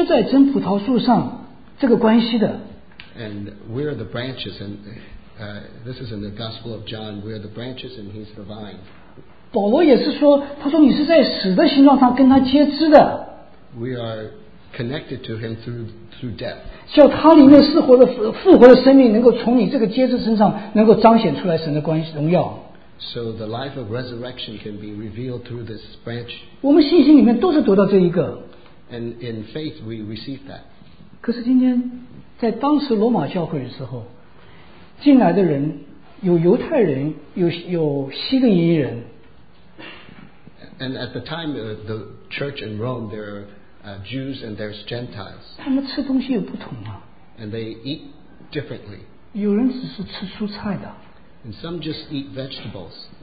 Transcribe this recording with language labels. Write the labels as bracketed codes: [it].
[zh] 他说我们约翰福音里面启示说，我们像枝子，它是真葡萄树，枝子是接在真葡萄树上这个关系的。 [en] And we are the branches, and this is in the Gospel of John. We are the branches, and He's the vine. [zh] 保罗也是说，他说你是在死的形状上跟他接枝的。 [en] We are connected to Him through death. [zh] 叫他里面复活的生命能够从你这个接枝身上能够彰显出来神的荣耀。 [en] So the life of resurrection can be revealed through this branch. [zh] 我们信心里面都是得到这一个。 [en] And in faith we receive that. [zh] 可是今天在当时罗马教会的时候， 进来的人有犹太人，有希利尼人。 [en] And at the time of the church in Rome, there are Jews and there's Gentiles. [zh] 他们吃东西又不同啊。 [en] And they eat differently. [zh] 有人只是吃蔬菜的。 [en] And some just eat vegetables.